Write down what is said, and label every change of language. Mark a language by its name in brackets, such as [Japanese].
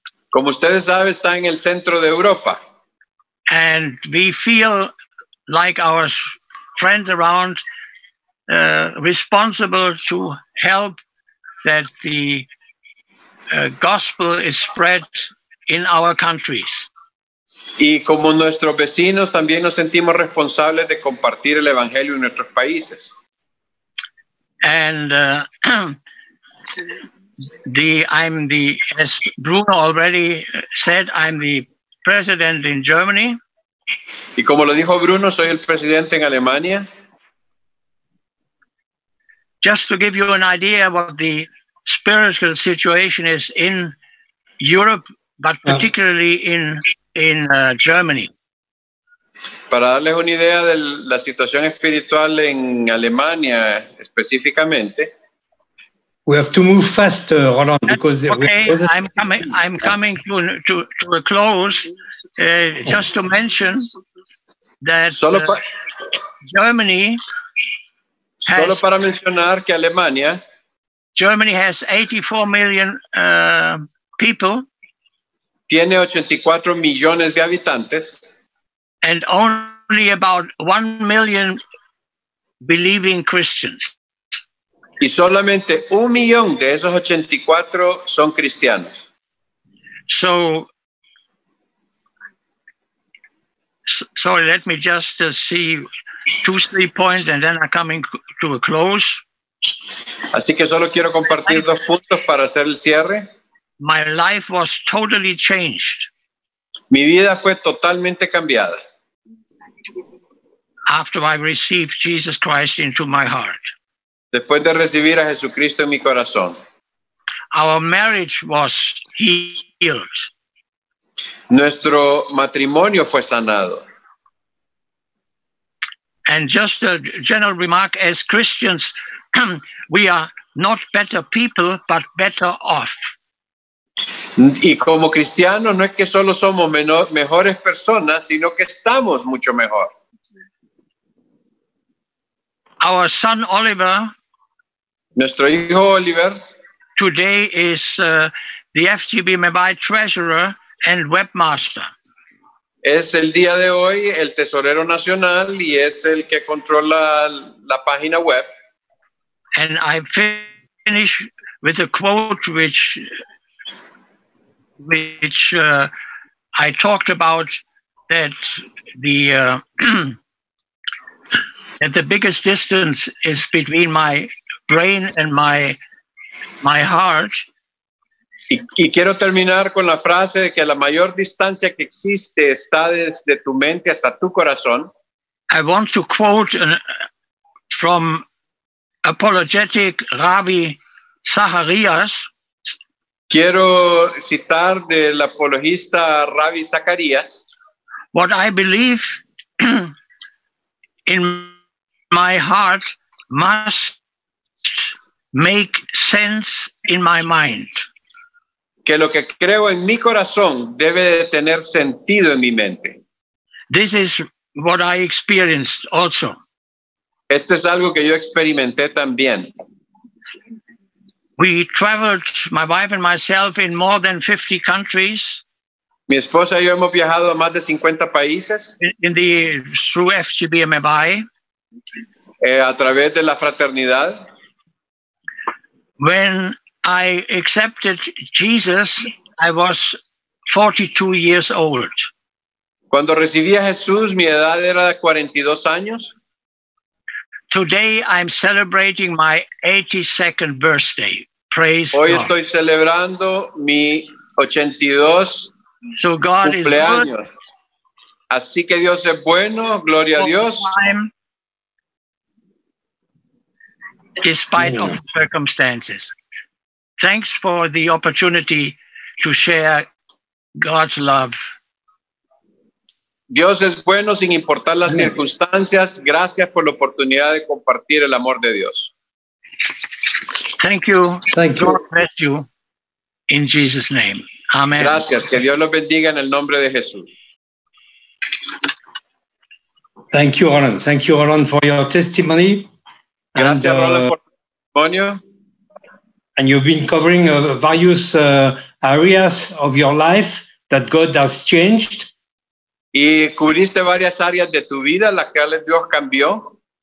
[Spanish] Como ustedes saben, está en el centro de Europa. [English] And we feel like our friends around responsible to help that the gospel is spread in our countries. [Spanish] Y como nuestros vecinos también nos sentimos responsables de compartir el evangelio en nuestros países. [English] And as Bruno already said, I'm the president in Germany. [Spanish] Y como lo dijo Bruno, soy el presidente en Alemania. [English] Just to give you an idea of what the spiritual situation is in Europe, but particularly in Germany. [Spanish] Para darles una idea de la situación espiritual en Alemania específicamente. [English] We have to move fast, Roland, because I'm coming to a close. Just to mention that Germany has, [Spanish] solo para mencionar que Alemania, [English] Germany has 84 million people. [Spanish] Tiene 84 millones de habitantes. [English] And only about 1 million believing Christians. [Spanish] Y solamente 1 million de esos 84 son cristianos. [English] So Sorry, let me just see 2-3 points and then I'm coming to a close. [Spanish] Así que solo quiero compartir dos puntos para hacer el cierre. [English] My life was totally changed. [Spanish] Mi vida fue totalmente cambiada. [English] After I received Jesus Christ into my heart. [Spanish] Después de recibir a Jesucristo en mi corazón. [English] Our marriage was healed. [Spanish] Nuestro matrimonio fue sanado. [English] And just a general remark, as Christians, we are not better people, but better off. [Spanish] Y como cristianos, no es que solo somos mejores personas, sino que estamos mucho mejor. [English] Our son Oliver, [Spanish] nuestro hijo Oliver, [English] today is the FCB Mobile Treasurer and Webmaster. [Spanish] Es el día de hoy el tesorero nacional y es el que controla la página web. [English] And I finish with a quote which I talked about, that the biggest distance is between my brain and my heart. [Spanish] Y quiero terminar con la frase de que la mayor distancia que existe está desde tu mente hasta tu corazón. [English] I want to quote from apologetic Rabbi Zacharias. [Spanish] Quiero citar del apologista Rabbi Zacharias. [English] What I believe in my heart must make sense in my mind. [Spanish] Que lo que creo en mi corazón debe de tener sentido en mi mente. [English] This is what I experienced also. [Spanish] Esto es algo que yo experimenté también. [English] We traveled, my wife and myself, in more than 50 countries. [Spanish] Mi esposa y yo hemos viajado a más de 50 países. [English] Through FGB MBI. [Spanish] A través de la fraternidad. [English] When I accepted Jesus, I was 42 years old. [Spanish] Cuando recibí a Jesús, mi edad era 42 años. [English] Today I'm celebrating my 82nd birthday. Praise [Spanish] Hoy [English] God. [Spanish] Estoy celebrando mi 82 [English] so God [Spanish] cumpleaños. [English] Is good. [Spanish] Así que Dios es bueno, gloria a Dios. [English] Time, despite of circumstances. Thanks for the opportunity to share God's love. [Spanish] Dios es bueno sin importar las circunstancias. Gracias por la oportunidad de compartir el amor de Dios. [English] Thank you. Thank you. God bless you in Jesus' name. Amen. [Spanish] Gracias. Que Dios los bendiga en el nombre de Jesús. [English] Thank you, Roland. Thank you, Roland, for your testimony. [Spanish] Gracias, Roland, por tu testimonio. [English] And you've been covering various areas of your life that God has changed. [Spanish] Y cubriste varias áreas de tu vida las que Dios cambió.